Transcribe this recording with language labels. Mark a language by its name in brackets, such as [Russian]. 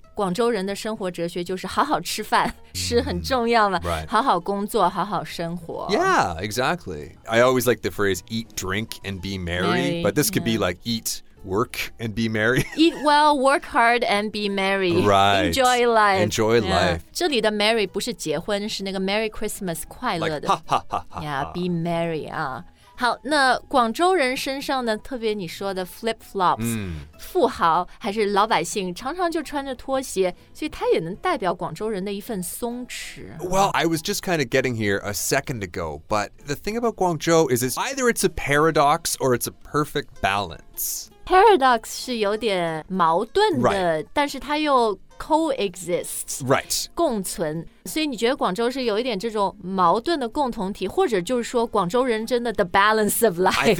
[Chinese] 广州人的生活哲学就是好好吃饭是很重要嘛、 [English] right. [Chinese] 好好工作好好生活 [English] Yeah, exactly. I always like the phrase eat, drink and be merry, merry but this could、yeah. be like eat, work and be merry. Eat well, work hard and be merry. Right. Enjoy life. Enjoy life.、 [Chinese] Yeah. 这里的 merry 不是结婚是那个 merry Christmas 快乐的 [English] like, ha, ha, ha, ha, Yeah, be merry [Chinese] 啊好那广州人身上呢特别你说的 flip-flops、 mm. 富豪还是老百姓常常就穿着拖鞋所以它也能代表广州人的一份松弛 [English] Well, I was just kind of getting here a second ago but the thing about Guangzhou is it's either it's a paradox or it's a perfect balance [Chinese] Paradox 是有点矛盾的、 [English] right. [Chinese] 但是它又 coexist [English] Right [Chinese] 共存所以你觉得广州是有一点这种矛盾的共同体或者就是说广州人真的 [English] the balance of life